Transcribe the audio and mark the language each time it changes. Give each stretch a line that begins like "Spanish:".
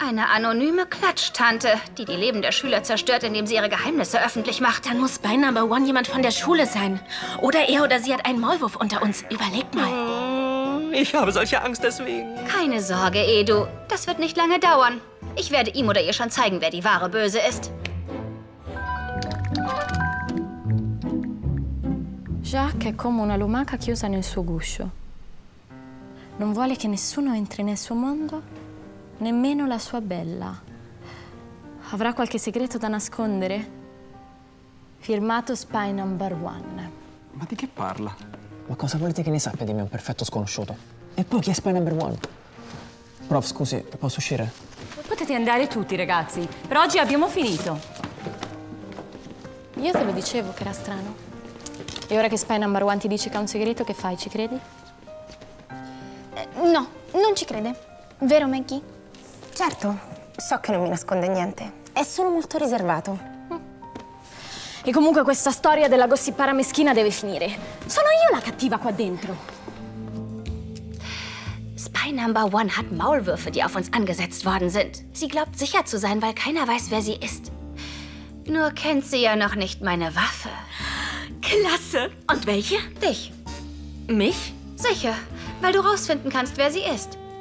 German: Eine anonyme Klatschtante, die die Leben der Schüler zerstört, indem sie ihre Geheimnisse öffentlich macht. Dann muss Spy Number One jemand von der Schule sein. Oder er oder sie hat einen Maulwurf unter uns. Überleg mal. Ich habe solche Angst deswegen. Keine Sorge, Edu. Das wird nicht lange dauern. Ich werde ihm oder ihr schon zeigen, wer die wahre Böse ist.
Italian: Jacques è come una lumaca chiusa nel suo guscio. Non vuole che nessuno entri nel suo mondo, nemmeno la sua bella. Avrà qualche segreto da nascondere? Firmato Spy Number One. Ma di che parla? Ma cosa volete che ne sappia di me, un perfetto sconosciuto? E poi chi è Spy Number One? Prof, scusi, posso uscire? Potete andare tutti, ragazzi. Per oggi abbiamo finito. Io te lo dicevo che era strano. E ora che Spy Number One ti dice che ha un segreto, che fai? Ci credi? No, non ci crede. Vero, Maggie? Certo, so che non mi nasconde niente. È solo molto riservato. E comunque questa storia della gossipara meschina deve finire. Sono io la cattiva qua dentro.
German: Spy Number One hat Maulwürfe, die auf uns angesetzt worden sind. Sie glaubt sicher zu sein, weil keiner weiß, wer sie ist. Nur kennt sie ja noch nicht meine Waffe. Klasse! Und welche? Dich. Mich? Sicher, weil du rausfinden kannst, wer sie ist.